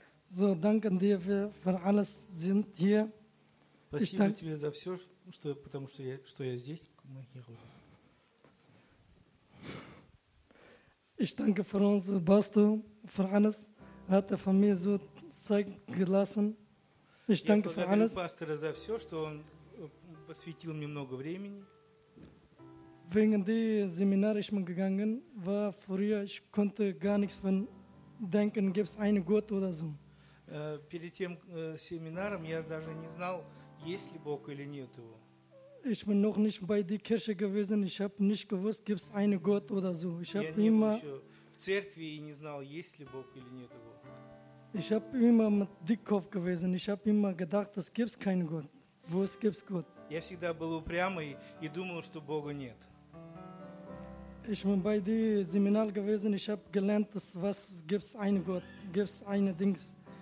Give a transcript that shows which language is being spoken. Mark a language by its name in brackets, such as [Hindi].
[German] So, danken dir für alles, sind hier. [Russian] Спасибо тебе за все, что, потому что я здесь. Мы [German] hier. Ich danke für uns, Basto, für alles. Hat er von mir so zeigen gelassen. Ich danke für alles. [Russian] Я благодарю пастора за все, что он посвятил мне много времени. [German] Wegen dem Seminar ich bin gegangen, war früher, ich konnte gar nichts von denken, gibt es einen Gott oder so. [Russian] Перед тем семинаром я даже не знал, есть ли Бог или нет его. [German] Ich bin noch nicht bei der Kirche gewesen, ich habe nicht gewusst, gibt es einen Gott oder so. Ich habe immer [Russian] в церкви и не знал, есть ли Бог или нет его. [German] Ich habe immer mit Dickkopf gewesen, ich habe immer gedacht, es gibt keinen Gott. Wo es gibt Gott. [Russian] Я всегда был упрямый и думал, что Бога нет. [German] Ich bin bei der Seminar gewesen, ich habe gelernt, dass was gibt es einen Gott, gibt es eine Dings.